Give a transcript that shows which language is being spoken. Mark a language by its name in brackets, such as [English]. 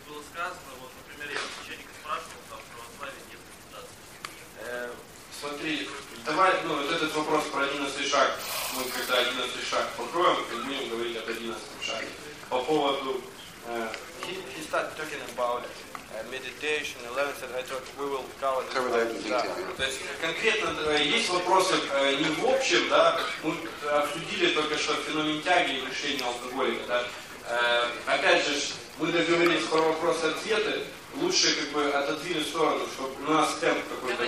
[Russian] Сказано, вот, например, я священника спрашивал, там, православие, нет, смотри, давай, ну, вот этот вопрос про 11 шаг. Мы когда 11 шаг покроем, мы будем говорить об 11 шаге. По поводу... [English] He started talking about meditation, 11th, and I thought we will cover that. Yeah. [Russian] То есть конкретно есть вопросы не в общем, да, мы обсудили только что феномен тяги и лишения алкоголика, да. Опять же, мы договорились про вопросы-ответы, лучше как бы отодвинуть в сторону, чтобы у нас темп какой-то